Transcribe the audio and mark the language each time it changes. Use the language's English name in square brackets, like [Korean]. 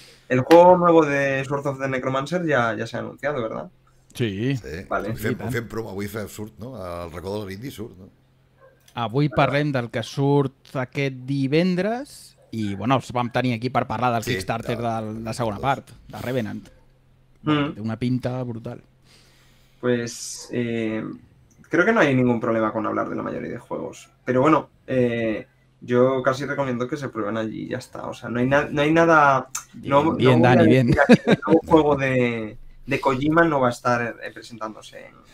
[Spanish] El juego nuevo de Sword of the Necromancer ya se ha anunciado, ¿verdad? Sí. [Catalan] Fem promo, avui fem surt, no? El racó de l'indi surt, no? Avui parlem del que surt aquest divendres i, bueno, els vam tenir aquí per parlar del Kickstarter de la segona part, de Revenant. Té una pinta brutal. [Spanish] Pues, creo que no hay ningún problema con hablar de la mayoría de juegos. Pero bueno, yo casi recomiendo que se prueben allí y ya está. O sea, no hay nada... Bien, Dani, bien. Un juego de Kojima no va a estar presentándose